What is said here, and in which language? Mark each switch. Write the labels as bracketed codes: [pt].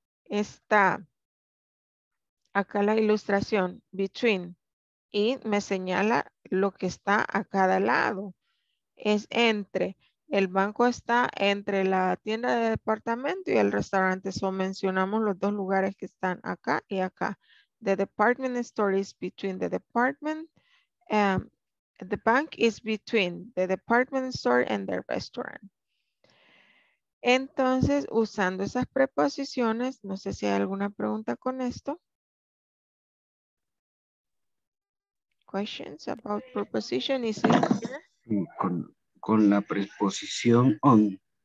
[es] Está acá la ilustración between y me señala lo que está a cada lado. Es entre, el banco está entre la tienda de departamento y el restaurante. So mencionamos los dos lugares que están acá y acá. [en] The department store is between the department. The bank is between the department store and the restaurant. [es] Entonces, usando esas preposiciones, no sé si hay alguna pregunta con esto. [en] Questions about preposition, is it? [es] Con la preposición on.